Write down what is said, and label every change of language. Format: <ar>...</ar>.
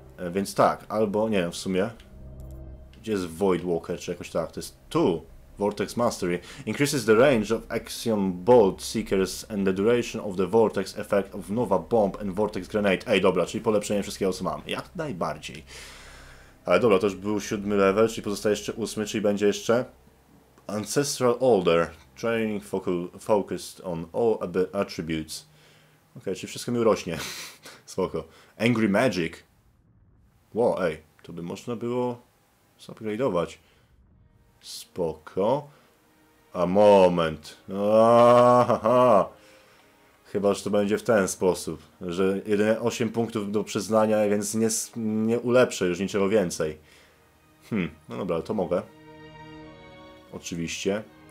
<pl>Więc tak, albo nie wiem, w sumie. Gdzie jest Void Walker, czy jakoś tak? To jest tu. Vortex Mastery.</pl> <en>Increases the range of Axiom Bolt Seekers and the duration of the Vortex Effect of Nova Bomb and Vortex Grenade.</en> <pl>Ej, dobra, czyli polepszenie wszystkiego, co mam. Jak najbardziej. Ale dobra, to już był siódmy level, czyli pozostaje jeszcze ósmy, czyli będzie jeszcze...</pl> <en>Ancestral Order. Training focused on all attributes.</en> <pl>Okej, czyli wszystko mi urośnie. Spoko. Angry Magic. Wow, ej, to by można było zupgrade'ować. Spoko. A moment. Aha. Chyba, że to będzie w ten sposób, że jedynie 8 punktów do przyznania, więc nie ulepszę już niczego więcej. No dobra, to mogę. Oczywiście.</pl>